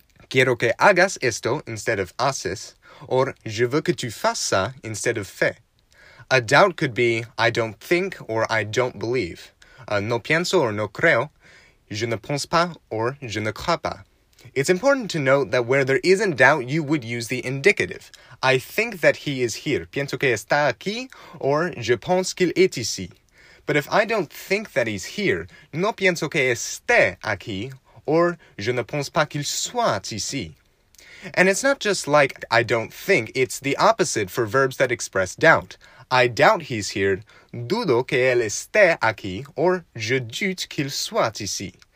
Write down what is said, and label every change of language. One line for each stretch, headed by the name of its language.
Spanish: Quiero que hagas esto
English: instead of haces, or
French: je veux que tu fasses ça
English: instead of
French: fais.
English: A doubt could be, I don't think or I don't believe.
Spanish: No pienso
English: or
Spanish: no creo,
French: je ne pense pas or je ne crois pas.
English: It's important to note that where there isn't doubt, you would use the indicative. I think that he is here.
Spanish: Pienso que está aquí,
English: or
French: je pense qu'il est ici.
English: But if I don't think that he's here,
Spanish: no pienso que esté aquí,
English: or
French: je ne pense pas qu'il soit ici.
English: And it's not just like I don't think, it's the opposite for verbs that express doubt. I doubt he's here,
Spanish: dudo que él esté aquí,
English: or
French: je doute qu'il soit ici.